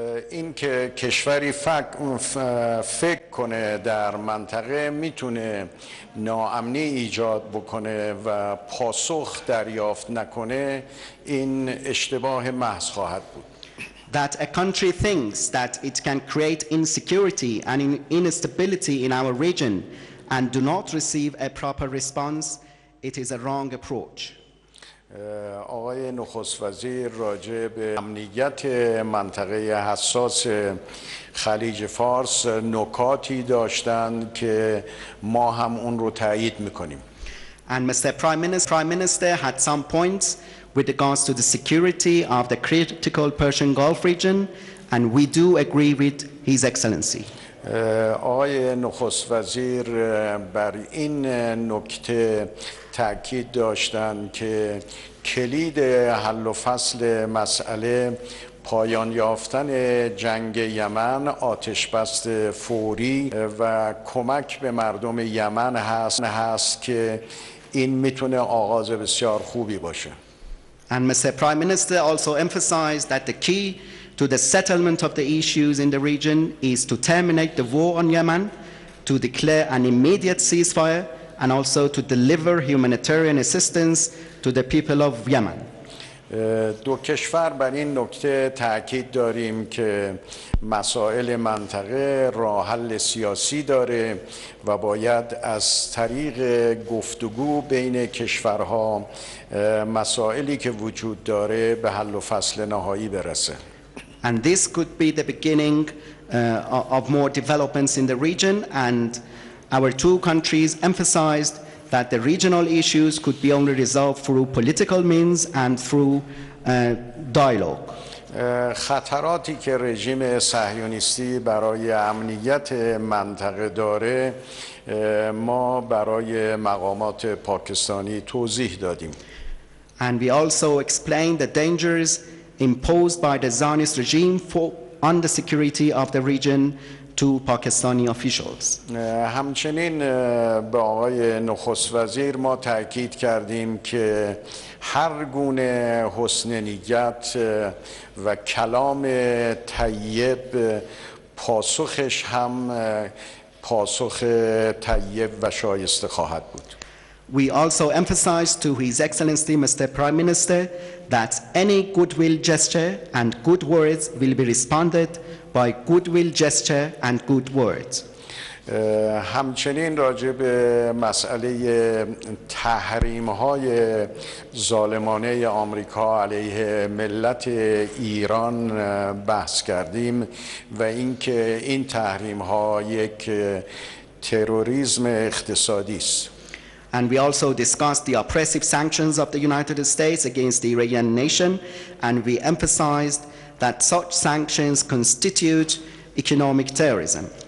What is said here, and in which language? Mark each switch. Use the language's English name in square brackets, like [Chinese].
[Persian] این که کشوری فکر کنه در منطقه میتونه ناامنی ایجاد بکنه و پاسخ دریافت نکنه، این اشتباه محض خواهد بود. [English] That a country thinks that it can create insecurity and instability in our region and do not receive a proper response, it is a wrong approach. [Persian] آقای نخست وزیر راجع به امنیت منطقه حساس خلیج فارس نکاتی داشتند که ما هم اون رو تایید میکنیم. [English] And Mr. Prime Minister had some points with regards to the security of the critical Persian Gulf region, and we do agree with His Excellency. [Persian] آقای نخست وزیر بر این نکته تأکید داشتن که کلید حل و فصل مسئله پایان یافتن جنگ یمن، آتش بس فوری و کمک به مردم یمن هست که این میتونه آغاز بسیار خوبی باشه. [English] And Mr. Prime Minister also emphasized that the key to the settlement of the issues in the region is to terminate the war on Yemen, to declare an immediate ceasefire, and also to deliver humanitarian assistance to the people of Yemen. [Persian] دو کشور بر این نکته تأکید داریم که مسائل منطقه راه حل سیاسی داره و باید از طریق گفتگو بین کشورها مسائلی که وجود داره به حل و فصل نهایی برسه. [English] And this could be the beginning of more developments in the region, and our two countries emphasized that the regional issues could be only resolved through political means and through dialogue. [Persian] خطراتی که رژیم صهیونیستی برای امنیت منطقه داره ما برای مقامات پاکستانی توضیح دادیم. [English] And we also explained the dangers imposed by the Zionist regime on the security of the region to Pakistani officials. [Persian] همچنین به آقای نخست وزیر ما تأکید کردیم که هر گونه حسن نیت و کلام طیب پاسخش هم پاسخ طیب و شایسته خواهد بود. [English] We also emphasize to His Excellency Mr. Prime Minister that any goodwill gesture and good words will be responded by goodwill gesture and good words. [Persian] همچنین راجع به مسئله تحریم‌های ظالمانه آمریکا علیه ملت ایران بحث کردیم و اینکه این تحریم‌ها یک تروریسم اقتصادی است. [English] And we also discussed the oppressive sanctions of the United States against the Iranian nation, and we emphasized that such sanctions constitute economic terrorism.